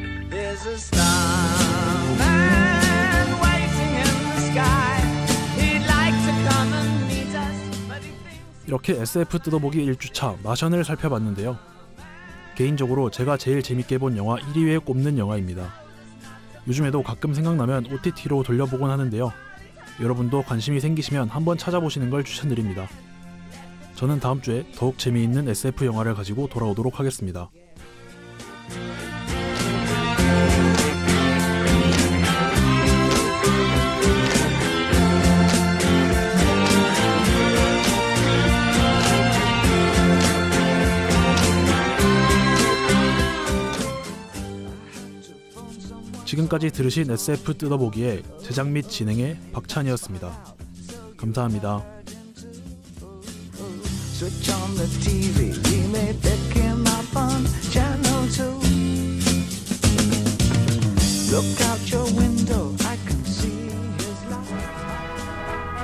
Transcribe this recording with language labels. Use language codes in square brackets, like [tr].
[en] There's a starman waiting in the sky. He'd like to come and meet us, but he thinks. [ko] 이렇게 SF 뜯어보기 1주차 마션을 살펴봤는데요. 개인적으로 제가 제일 재밌게 본 영화 1위에 꼽는 영화입니다. 요즘에도 가끔 생각나면 OTT로 돌려보곤 하는데요. 여러분도 관심이 생기시면 한번 찾아보시는 걸 추천드립니다. 저는 다음 주에 더욱 재미있는 SF 영화를 가지고 돌아오도록 하겠습니다. 지금까지 들으신 SF 뜯어보기의 제작 및 진행의 박찬이었습니다. 감사합니다. [en] Switch on the TV, we may pick him up on channel 2. Look out your window, I can see his light.